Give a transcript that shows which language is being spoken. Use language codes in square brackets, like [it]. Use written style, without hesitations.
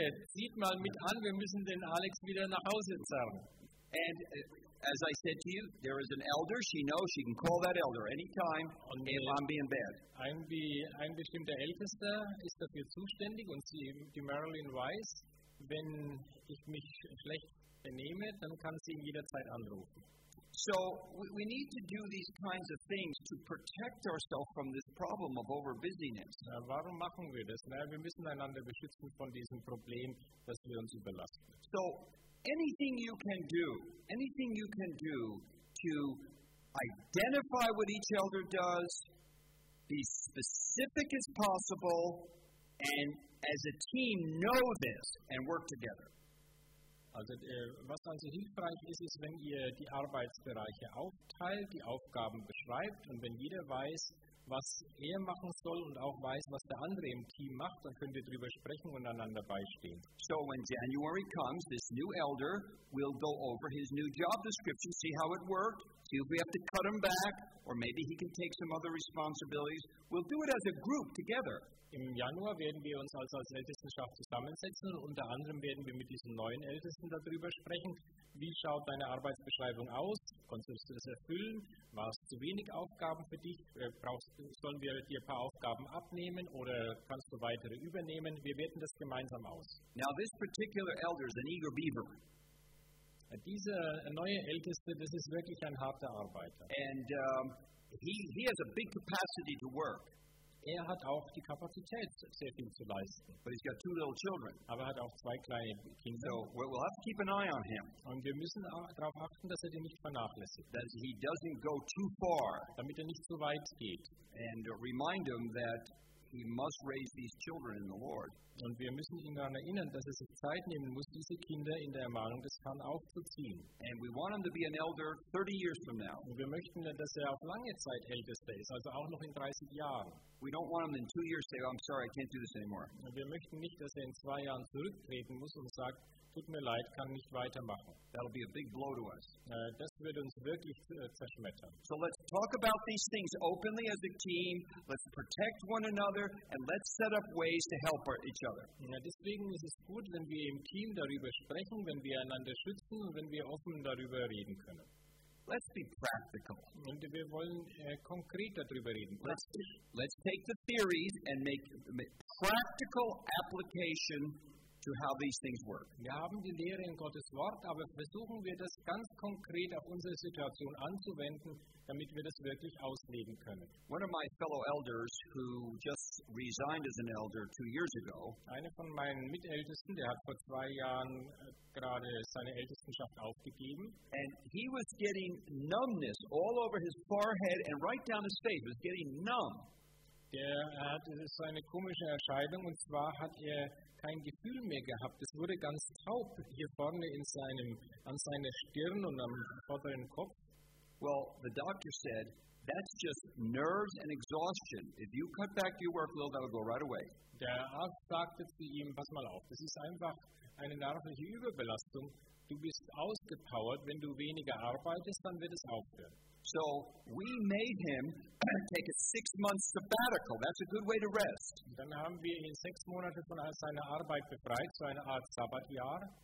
[de] Sieht mal mit an, wir müssen den Alex wieder nach Hause zerren. [en] And as I said to you, there is an elder. She knows she can call that elder anytime if I'm being bad. [de] Ein bestimmter Ältester ist dafür zuständig, und sie, die Marilyn, weiß, wenn ich mich schlecht benehme, dann kann sie ihn jederzeit anrufen. [en] So we need to do these kinds of things to protect ourselves from this problem of overbusyness. [de] Warum machen wir das? Na, wir müssen einander beschützen von diesem Problem, dass wir uns überlasten. [en] So anything you can do to identify what each elder does, be specific as possible, and as a team know this and work together. [de] Also was also hilfreich ist, ist, wenn ihr die Arbeitsbereiche aufteilt, die Aufgaben beschreibt und wenn jeder weiß, was er machen soll und auch weiß, was der andere im Team macht, dann könnt ihr darüber sprechen und einander beistehen. [en] So when January comes, this new elder will go over his new job description, see how it worked, see if we have to cut him back, or maybe he can take some other responsibilities. We'll do it as a group together. [de] Im Januar werden wir uns also als Ältestenschaft zusammensetzen und unter anderem werden wir mit diesem neuen Ältesten darüber sprechen, wie schaut deine Arbeitsbeschreibung aus, konntest du das erfüllen, war es zu wenig Aufgaben für dich, sollen wir dir ein paar Aufgaben abnehmen oder kannst du weitere übernehmen, wir werten das gemeinsam aus. [en] Now this particular elder is an eager beaver. [de] Dieser neue Älteste, das ist wirklich ein harter Arbeiter. [en] And he has a big capacity to work. [de] Er hat auch die Kapazität, sehr viel zu leisten. [en] But he's got two little children. [de] Aber er hat auch zwei kleine Kinder. [en] So we'll have to keep an eye on him. [de] Und wir müssen darauf achten, dass er die nicht vernachlässigt. [en] That he doesn't go too far. [de] Damit er nicht zu weit geht. [en] And remind him that he must raise these children in the Lord. [de] Und wir müssen ihn daran erinnern, dass er sich Zeit nehmen muss, diese Kinder in der Ermahnung des Herrn aufzuziehen. [en] And we want him to be an elder 30 years from now. [de] Und wir möchten, dass er auf lange Zeit Ältester ist, also auch noch in 30 Jahren. [en] We don't want him in 2 years to say, "I'm sorry, I can't do this anymore." [de] Und wir möchten nicht, dass er in 2 Jahren zurücktreten muss und sagt, tut mir leid, kann nicht weitermachen. [en] That'll be a big blow to us. [de] Das wird uns wirklich zerschmettern. [en] So let's talk about these things openly as a team. Let's protect one another and let's set up ways to help each other. [de] Ja, deswegen ist es gut, wenn wir im Team darüber sprechen, wenn wir einander schützen und wenn wir offen darüber reden können. [en] Let's be practical. [de] Und wir wollen konkret darüber reden. [en] Let's take the theories and make practical application to how these things work. [de] Wir haben die Lehre in Gottes Wort, aber versuchen wir das ganz konkret auf unsere Situation anzuwenden, damit wir das wirklich ausleben können. [en] One of my fellow elders who just resigned as an elder 2 years ago. [de] Einer von meinen Mitältesten, der hat vor 2 Jahren gerade seine Ältestenschaft aufgegeben. [en] And he was getting numbness all over his forehead and right down his face. He was getting numb. [de] Der hatte so eine komische Erscheinung, und zwar hat er kein Gefühl mehr gehabt. Es wurde ganz taub hier vorne in an seiner Stirn und am vorderen Kopf. [en] Well, the doctor said, that's just nerves and exhaustion. If you cut back your workload, that'll go right away. [de] Der Arzt sagte zu ihm, pass mal auf, das ist einfach eine nervliche Überbelastung. Du bist ausgepowert. Wenn du weniger arbeitest, dann wird es aufhören. [en] So we made him take a 6-month sabbatical. That's a good way to rest. [de] Dann haben wir ihn 6 Monate von seiner Arbeit befreit, so eine Art Sabbatjahr.